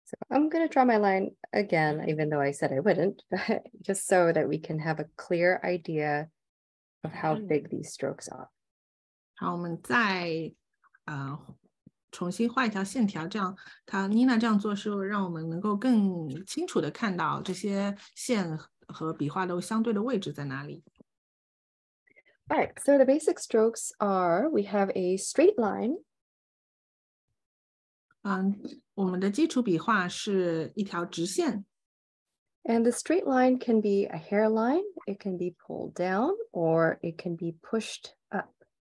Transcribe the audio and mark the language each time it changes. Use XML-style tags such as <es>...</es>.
<en>I'm going to draw my line again, even though I said I wouldn't, but just so that we can have a clear idea of how big these strokes are.</en> <zh>好，我们再重新画一条线条，这样它Nina这样做是让我们能够更清楚的看到这些线。</zh> <en>All right, so the basic strokes are, we have a straight line.</en> <zh>我们的基础笔画是一条直线。</zh> <en>And the straight line can be a hairline, it can be pulled down, or it can be pushed up.</en>